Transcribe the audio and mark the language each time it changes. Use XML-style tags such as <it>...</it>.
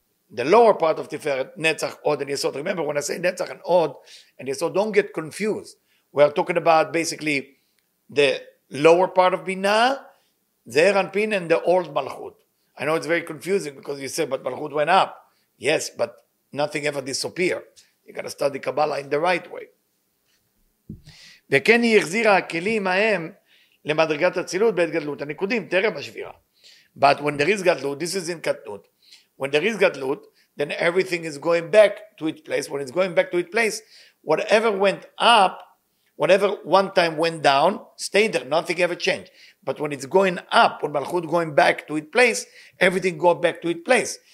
<en>The lower part of Tiferet, Netzach, Od, and Yesod. Remember, when I say Netzach and Od, and Yesod, don't get confused. We are talking about basically the lower part of Binah, Ze'er Anpin, and the old Malchut. I know it's very confusing because you say, but Malchut went up. Yes, but nothing ever disappeared. You got to study Kabbalah in the right way.</en> <he>וכן היא החזירה הכלים ההם למדרגת הצילות בעת גדלות הנקודים, תרם השבירה.</he> <en>But when there is גדלות, this is in קטנות. When there is גדלות, then everything is going back to its place. When it's going back to its place, whatever went up, whatever one time went down, stayed there, nothing ever changed. But when it's going up, when מלכות going back to its place, everything go back to its place.</en>